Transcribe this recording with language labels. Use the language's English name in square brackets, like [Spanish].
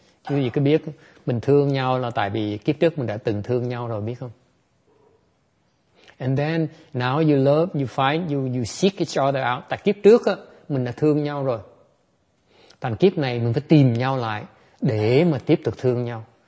[Vietnamese] Chứ gì có biết mình thương nhau là tại vì kiếp trước mình đã từng thương nhau rồi, biết không? [English] And then now you love, you find, you seek each other out. [Vietnamese] Tại kiếp trước á, mình đã thương nhau rồi. Thành kiếp này mình phải tìm nhau lại để mà tiếp tục thương nhau.